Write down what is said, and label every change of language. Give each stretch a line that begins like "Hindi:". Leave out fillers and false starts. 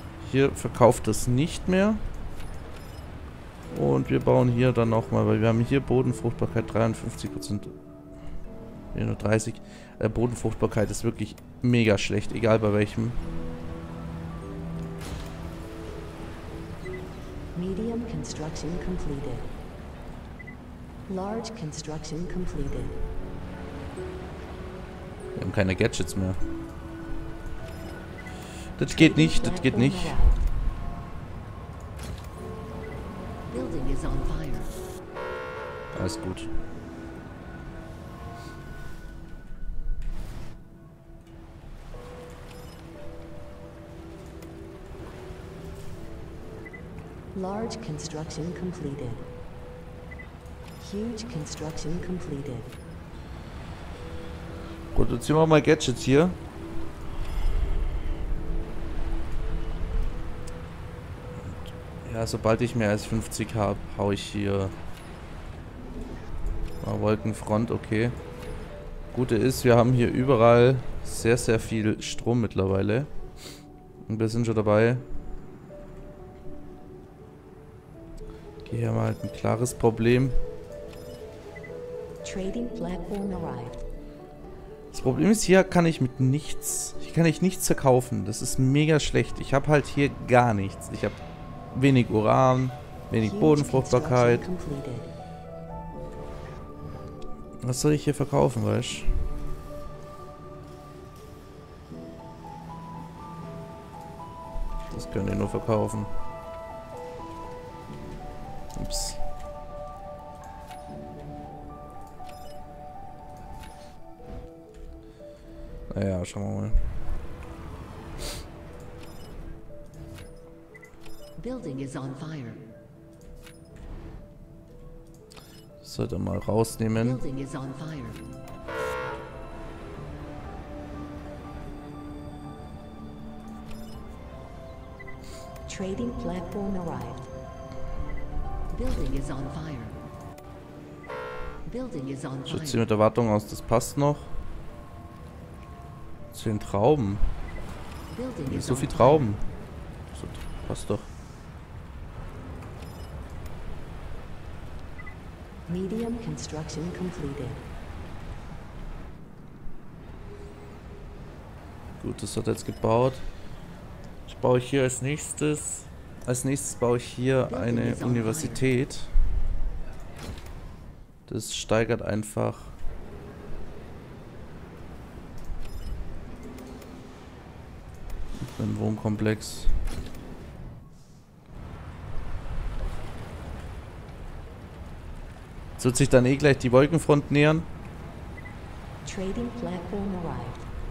German: Hier verkauft es nicht mehr. Und wir bauen hier dann nochmal, weil wir haben hier Bodenfruchtbarkeit 53%. Ja, nur 30. Bodenfruchtbarkeit ist wirklich mega schlecht, egal bei welchem.
English: Medium construction completed. Large construction completed.
German: Wir haben keine Gadgets mehr. Das geht nicht, das geht nicht.
English: Building is on fire.
German: Alles gut.
English: Large construction completed. Huge construction completed.
German: Produzieren wir mal Gadgets hier. Ja, sobald ich mehr als 50 habe, hau ich hier mal Wolkenfront, okay. Gute ist, wir haben hier überall sehr, sehr viel Strom mittlerweile. Und wir sind schon dabei. Okay, hier haben wir halt ein klares Problem.
English: Trading platform arrived.
German: Das Problem ist, hier kann ich mit nichts, hier kann ich nichts verkaufen. Das ist mega schlecht. Ich habe halt hier gar nichts. Ich habe wenig Uran, wenig Bodenfruchtbarkeit. Was soll ich hier verkaufen, weißt du? Das können wir nur verkaufen. Ups. Naja, schauen wir mal.
English: Building is on fire.
German: Sollte mal rausnehmen.
English: Building is on fire. Trading platform arrived. Building is on fire. Building is on fire.
German: Schütze mit Erwartung aus, das passt noch. Zu den Trauben. Nicht so viel Trauben. Passt doch.
English: Medium construction completed.
German: Gut, das hat jetzt gebaut. Ich baue hier als nächstes. Als nächstes baue ich hier eine Universität. Das steigert einfach. Im Wohnkomplex. Jetzt wird sich dann eh gleich die Wolkenfront nähern.
English: Trading platform arrived.